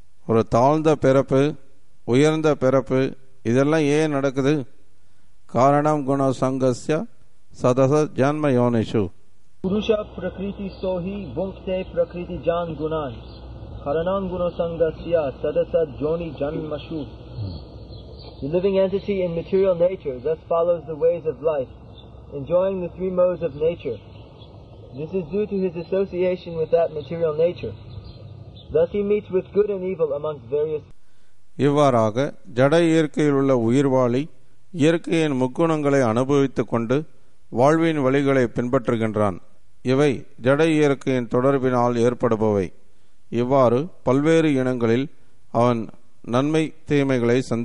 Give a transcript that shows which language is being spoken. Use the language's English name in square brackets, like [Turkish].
[Tamil] ஒரு தாழ்ந்த பிறப்பு உயர்ந்த பிறப்பு இதெல்லாம் ஏன் நடக்குது? [Sanskrit] காரணம் குண சங்கஸ்ய சதச ஜன்ம யோனிஷு. புருஷ பிரகிருதி சோஹி புங்க்தே பிரகிருதி ஜான் குணான் காரணம் குண சங்கஸ்ய சதச ஜோனி ஜன்மஷு. [English] The living entity in material nature thus follows the ways of life, enjoying the three modes of nature. This is due to his association with that material nature. Thus he meets with good and evil amongst various. [Tamil] இவ்வாறாக ஜட இயற்கையில் உள்ள உயிர்வாளி இயற்கையின் முக்குணங்களை அனுபவித்துக் கொண்டு வாழ்வின் வழிகளை பின்பற்றுகின்றான். இவை ஜட இயற்கையின் தொடர்பினால் ஏற்படுபவை. இவ்வாறு பல்வேறு இனங்களில் அவன் நன்மை தீமைகளை